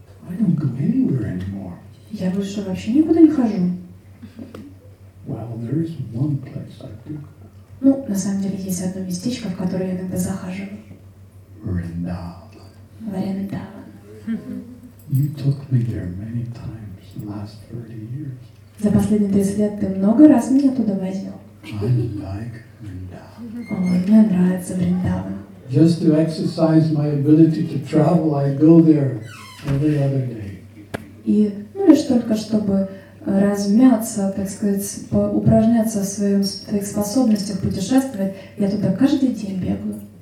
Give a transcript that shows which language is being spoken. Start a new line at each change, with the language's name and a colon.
English: I don't go anywhere anymore.
Russian: Я больше вообще никуда не хожу.
English: Well, there is one place I do.
Russian: Ну, на самом деле, есть одно местечко, в которое я иногда захожу. Вриндаван.
English: You took me there many times in the last 30 years.
Russian: За последние 30 лет ты много раз меня туда возил.
English: I like Vrindavan.
Russian: О, мне нравится Вриндаван.
English: Just to exercise my ability to travel, I go there every other day.
Russian: И, ну лишь только чтобы размяться, так сказать, упражняться в своих способностях путешествовать, я туда каждый день бегаю.